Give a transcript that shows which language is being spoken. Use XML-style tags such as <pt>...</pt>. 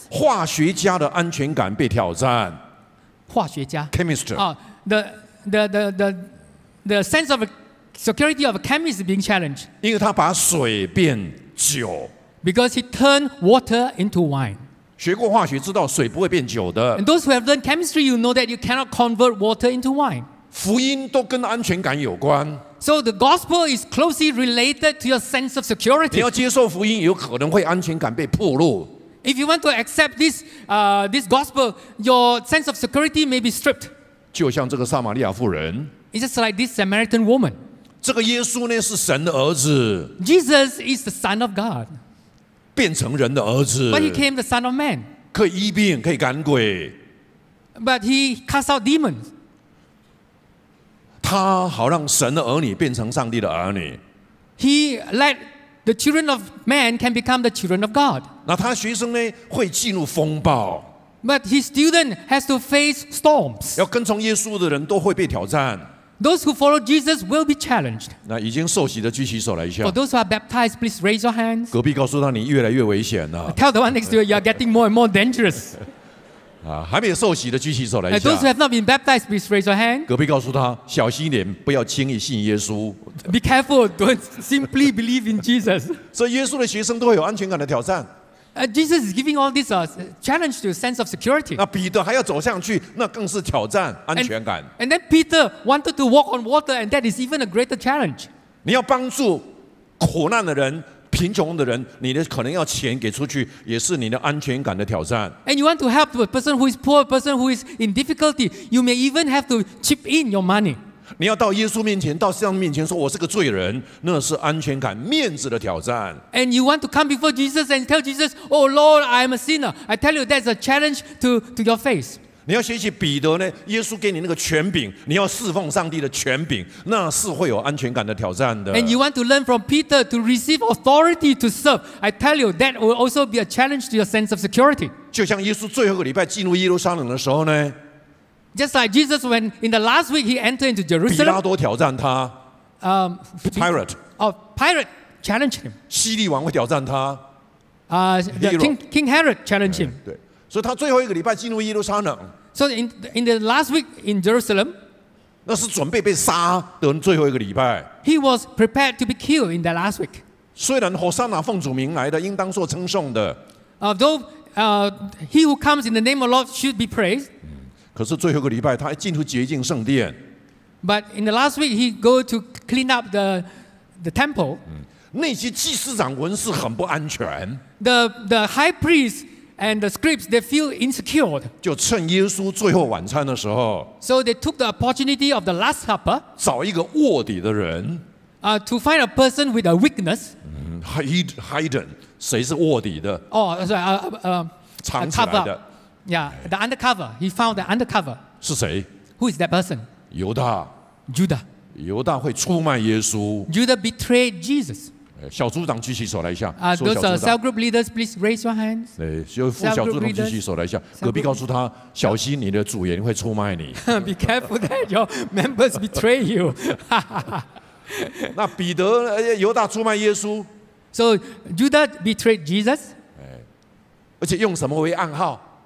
<zh>化学家的安全感被挑战。化学家。</zh> <en>Chemist. The sense of security of a chemist is being challenged.</en> <zh>因为他把水变酒。</zh> <en>Because he turned water into wine.</en> <zh>学过化学知道水不会变酒的。</zh> <en>And those who have learned chemistry, you know that you cannot convert water into wine.</en> <zh>福音都跟安全感有关。</zh> <en>So the gospel is closely related to your sense of security.</en> <zh>你要接受福音，有可能会安全感被暴露。</zh> <en>If you want to accept this gospel, your sense of security may be stripped.</en> <zh>就像这个撒玛利亚妇人。</zh> <en>It's just like this Samaritan woman.</en> <zh>这个耶稣呢是神的儿子。</zh> <en>Jesus is the Son of God.</en> <zh>变成人的儿子</zh> <en>，But he came the Son of Man.</en> <zh>可以医病，可以赶鬼。</zh> <en>But he cast out demons.</en> <zh>他好让神的儿女变成上帝的儿女。</zh> <en>He let the children of man can become the children of God.</en> <zh>那他学生呢，会进入风暴。</zh> <en>But his student has to face storms.</en> <zh>要跟从耶稣的人都会被挑战。</zh> <en>Those who follow Jesus will be challenged.</en> <zh>那已经受洗的举起手来一下。</zh> <en>For those who are baptized, please raise your hands.</en> <zh>隔壁告诉他你越来越危险了。</zh> <en>Tell the one next to you, you are getting more and more dangerous.</en> <zh>还没有受洗的举起手来一下。</zh> <en>Those who have not been baptized, please raise your hand.</en> <zh>隔壁告诉他小心一点，不要轻易信耶稣。</zh> <en>Be careful, don't simply believe in Jesus.</en> <zh>所以耶稣的学生都会有安全感的挑战。</zh> <en>Jesus is giving all this a challenge to a sense of security.</en> <zh>那彼得还要走上去，那更是挑战安全感。</zh> <en>And then Peter wanted to walk on water, and that is even a greater challenge.</en> <zh>你要帮助苦难的人、贫穷的人，你的可能要钱给出去，也是你的安全感的挑战。</zh> <en>And you want to help a person who is poor, a person who is in difficulty, you may even have to chip in your money.</en> <zh>你要到耶稣面前，到上帝面前说：“我是个罪人。” 那是安全感、面子的挑战。</zh> <en>And you want to come before Jesus and tell Jesus, "Oh Lord, I am a sinner." I tell you, that's a challenge to your faith.</en> <zh>你要学习彼得呢？耶稣给你那个权柄，你要侍奉上帝的权柄，那是会有安全感的挑战的。</zh> <en>And you want to learn from Peter to receive authority to serve. I tell you, that will also be a challenge to your sense of security.</en> <zh>就像耶稣最后一个礼拜进入耶路撒冷的时候呢？</zh> <en>Just like Jesus, when in the last week he entered into Jerusalem,</en> <zh>比拉多挑战他。Pilate.</zh> <en>Oh, Pilate challenged him.</en> <zh>希律王会挑战他。</zh> <en>King Herod challenged him.</en> <zh>对，所以他最后一个礼拜进入耶路撒冷。</zh> <en>So in the last week in Jerusalem,</en> <zh>那是准备被杀的最后一个礼拜。</zh> <en>He was prepared to be killed in the last week.</en> <zh>虽然Hosanna奉主名来的，应当受称颂的。</zh> <en>Although he who comes in the name of the Lord should be praised.</en> <zh>可是最后一个礼拜，他进入洁净圣殿。</zh> <en>But in the last week, he go to clean up the temple.</en> <zh>那些祭司长文士很不安全。</zh> <en>The high priests and the scribes they feel insecure.</en> <zh>就趁耶稣最后晚餐的时候。</zh> <en>So they took the opportunity of the last supper.</en> <zh>找一个卧底的人。</zh> <en>To find a person with a weakness.</en> <zh>Hidden, 谁是卧底的？</zh> <en>哦、oh, ，sorry,</en> <zh>藏起来的。</zh> <en>Yeah, the undercover. He found the undercover.</en> <zh>是谁</zh> <en>？Who is that person?</en> <zh>犹大。</zh> <en>Judah.</en> <zh>犹大会出卖耶稣。</zh> <en>Judah betrayed Jesus.</en> <zh>小组长举起手来一下。</zh> <en>Those cell group leaders, please raise your hands.</en> <zh>对，副小组长举起手来一下。隔壁告诉他，小心你的组员会出卖你。</zh> <en>Be careful that your members betray you.</en> <zh>那彼得、犹大出卖耶稣。</zh> <en>So Judas betrayed Jesus.</en> <zh>而且用什么为暗号？</zh>